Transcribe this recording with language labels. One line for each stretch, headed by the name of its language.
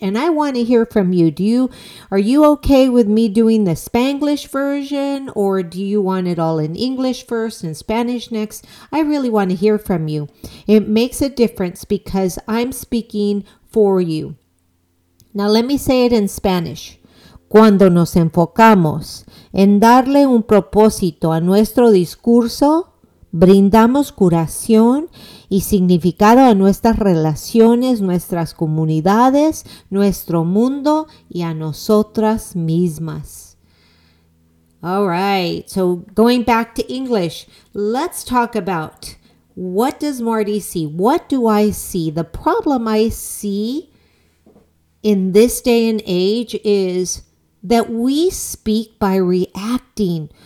English: And I want to hear from you. Are you okay with me doing the Spanglish version, or do you want it all in English first and Spanish next? I really want to hear from you. It makes a difference because I'm speaking for you. Now let me say it in Spanish.
Spanish: Cuando nos enfocamos en darle un propósito a nuestro discurso, brindamos curación y significado a nuestras relaciones, nuestras comunidades, nuestro mundo y a nosotras mismas.
English: All right, so going back to English, let's talk about what does Marty see? What do I see? The problem I see in this day and age is that we speak by reacting.